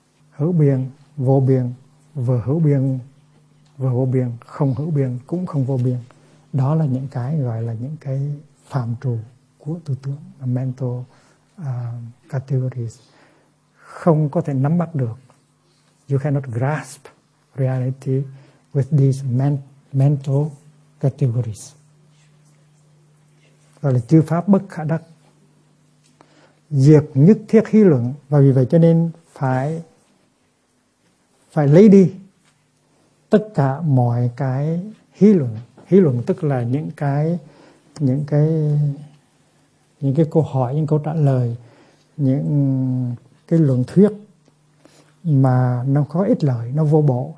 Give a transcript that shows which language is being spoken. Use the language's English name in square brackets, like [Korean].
[Vietnamese] Hữu biên, vô biên, vừa hữu biên, và vô biên, không hữu biên, cũng không vô biên. Đó là những cái gọi là những cái phạm trù của tư tưởng, [English] mental categories, [Vietnamese] không có thể nắm bắt được. [English] You cannot grasp reality with these mental categories. [Vietnamese] Gọi là chư pháp bất khả đắc, diệt nhất thiết hy luận. Và vì vậy cho nên phải lấy đi tất cả mọi cái hy luận. Hy luận tức là những cái câu hỏi, những câu trả lời, những cái luận thuyết mà nó có ích lợi, nó vô bổ.